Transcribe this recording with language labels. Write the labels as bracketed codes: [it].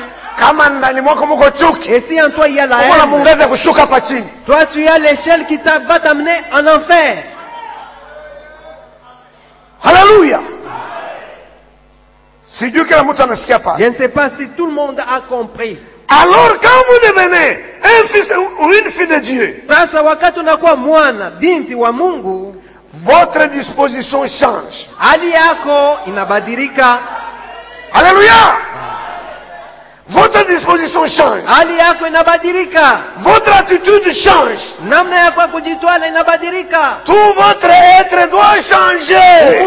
[fr] Et si en toi il y a la haine, toi tu as l'échelle qui va t'amener en enfer. Alléluia. Je ne sais pas si tout le monde a compris. Alors quand vous devenez un fils ou une fille de Dieu, [sw] sasa wakati unakuwa mwana binti wa Mungu, [fr] votre disposition change. [sw] Hali yako inabadilika. [fr] Alléluia. Votre disposition change. [sw] Hali yako inabadilika. [fr] Votre attitude change. [sw] Namna yako kujitwala inabadilika. [fr] Tout votre être doit changer.